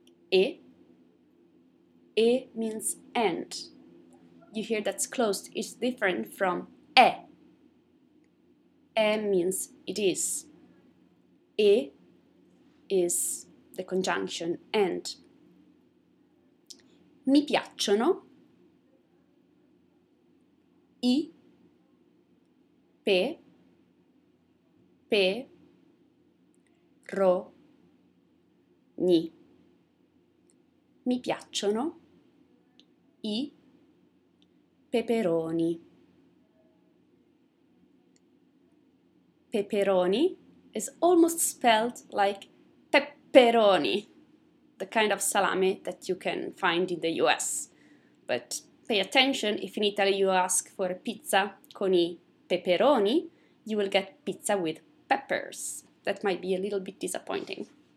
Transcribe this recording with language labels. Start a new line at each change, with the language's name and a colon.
English: E, e means and. You hear that's closed. It's different from e. E means it is. E is the conjunction and.
Italian: Mi piacciono i peperoni. Mi piacciono i peperoni.
English: Peperoni is almost spelled like pepperoni, the kind of salami that you can find in the US. But pay attention, if in Italy you ask for a
Italian: pizza con i peperoni,
English: you will get pizza with peppers. That might be a little bit disappointing.